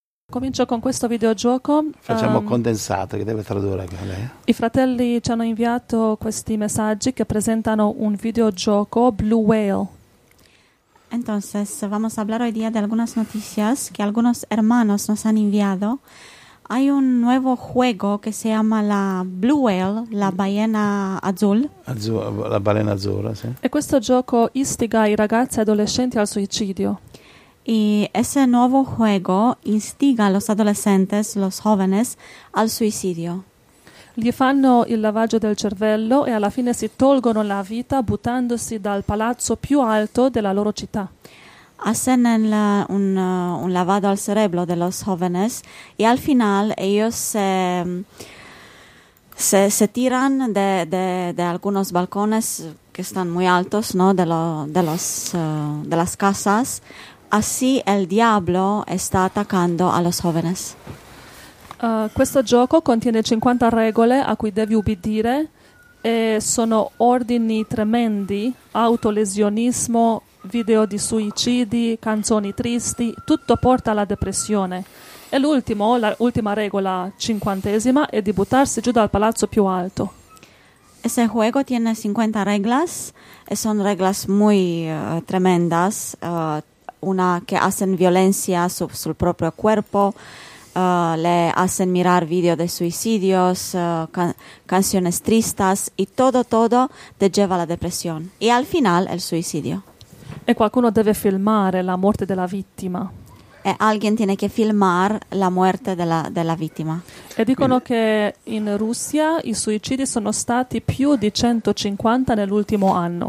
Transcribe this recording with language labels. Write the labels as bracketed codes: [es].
[it] comincio con questo videogioco. Facciamo condensato, che deve tradurre anche lei. I fratelli ci hanno inviato questi messaggi che presentano un videogioco, Blue Whale. [es] Entonces, vamos a hablar hoy día de algunas noticias que algunos hermanos nos han enviado. Hay un nuevo juego que se llama la Blue Whale, la ballena azul. [it] La balena azzurra, sì. E questo gioco istiga i ragazzi e adolescenti al suicidio. [es] Y ese nuevo juego instiga a los adolescentes, los jóvenes, al suicidio. [it] Gli fanno il lavaggio del cervello e alla fine si tolgono la vita buttandosi dal palazzo più alto della loro città. [es] Hacen un lavado al cerebro de los jóvenes y al final ellos se tiran de algunos balcones que están muy altos, ¿no? De las casas. Así el diablo está atacando a los jóvenes. [it] Questo gioco contiene 50 regole a cui devi ubbidire e sono ordini tremendi, autolesionismo, video di suicidi, canzoni tristi, tutto porta alla depressione. E l'ultimo, la ultima regola, 50esima, è di buttarsi giù dal palazzo più alto. [es] Ese juego tiene 50 reglas [it] e sono [es] reglas muy tremendas, una che hacen violencia [it] sul proprio [es] cuerpo. Le hacen mirar video de suicidios, canciones tristas y todo te lleva a la depresión. Y al final el suicidio. [it] E qualcuno deve filmare la morte della vittima. [es] E alguien tiene que filmar la muerte de la vittima. [it] E dicono che in Russia i suicidi sono stati più di 150 nell'ultimo anno.